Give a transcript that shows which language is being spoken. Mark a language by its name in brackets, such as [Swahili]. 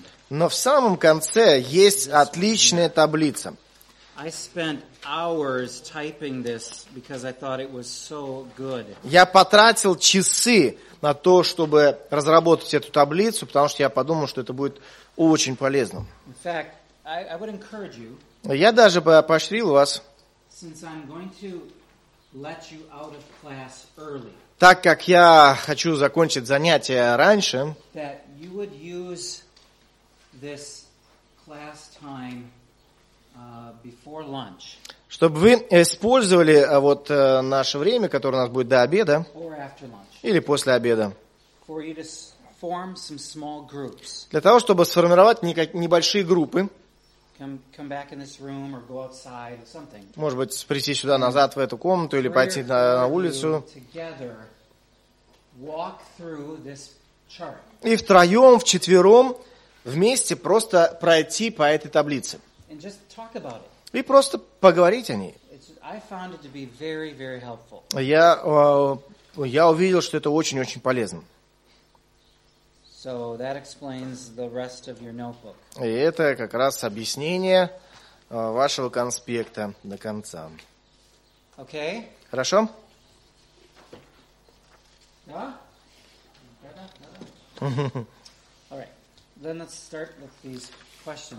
[Russian] Но в самом конце есть отличная таблица. Я потратил часы на то, чтобы разработать эту таблицу, потому что я подумал, что это будет очень полезным. [English] In fact, I would encourage you, [Russian] я даже поощрил вас [English] Since I'm going to let you out of class early, [Russian] так как я хочу закончить занятие раньше, [English] that you would use this class time, before lunch, [Russian] чтобы вы использовали вот наше время, которое у нас будет до обеда, [English] or after lunch, [Russian] или после обеда, [English] for you to form some small groups. [Russian] Для того, чтобы сформировать небольшие группы. [English] Come back in this room or go outside or something. [Russian] Может быть, прийти сюда назад в эту комнату или пойти на улицу. [English] Walk through this chart. [Russian] И втроем, вчетвером, вместе просто пройти по этой таблице. [English] And just talk about it. [Russian] И просто поговорить о ней. [English] I found it to be very, very helpful. [Russian] Я увидел, что это очень-очень полезно. [English] So that explains the rest of your notebook. [Russian] И это как раз объяснение вашего конспекта до конца. [English] Okay. [Russian] Хорошо? Да? [English] All right. Then let's start with these questions.